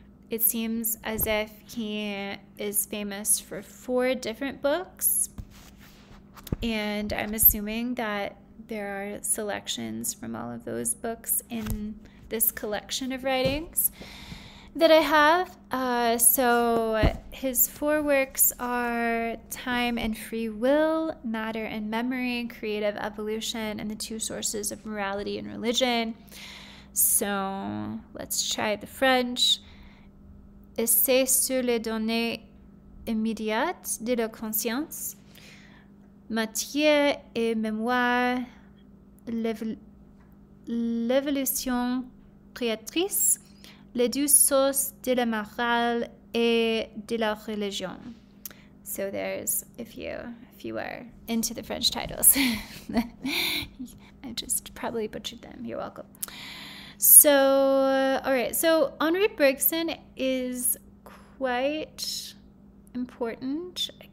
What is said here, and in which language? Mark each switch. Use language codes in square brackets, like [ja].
[en] It seems as if he is famous for four different books, and I'm assuming that there are selections from all of those books in this collection of writings that I have. So his four works are Time and Free Will, Matter and Memory, Creative Evolution, and the Two Sources of Morality and Religion. So let's try the French. [fr] Essai sur les données immédiates de la conscience, Matière et Mémoire, L'évolution créatrice, Les deux sources de la morale et de la religion. [en] So there's, if you are into the French titles, I just probably butchered them. You're welcome. So, all right. So Henri Bergson is quite important.